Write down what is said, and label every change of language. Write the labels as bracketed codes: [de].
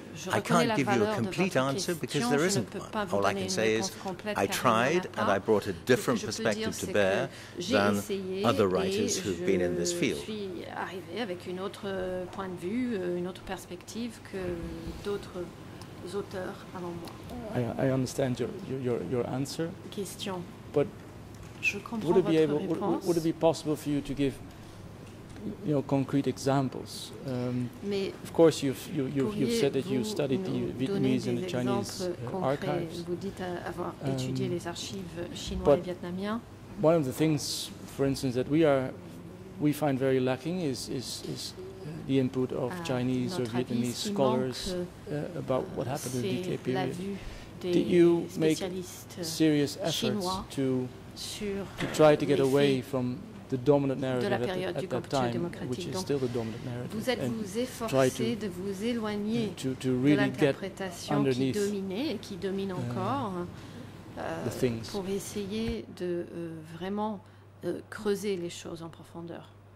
[en] I can't give you a complete answer because there isn't one. All I can say is I tried and I brought a different perspective to bear than other writers who've been in this field. [fr] Je suis arrivée avec une autre point de vue, une autre perspective que d'autres auteurs avant moi. [en] I understand your answer. Question. But would it be possible for you to give, you know, concrete examples? Of course, you've said that you studied the Vietnamese and the Chinese archives. [fr] Vous dites avoir étudié les archives chinois et vietnamiens. [en] One of the things, for instance, that we find very lacking is the input of Chinese or Vietnamese scholars about what happened in the DK period. Did you make serious efforts to try to get away from the dominant narrative at that time, which is still the dominant narrative, [fr] vous êtes vous efforcé [en] try [fr] de vous éloigner [en] to really [fr] de l'interprétation qui dominait et qui domine encore pour essayer de vraiment creuser les choses en profondeur.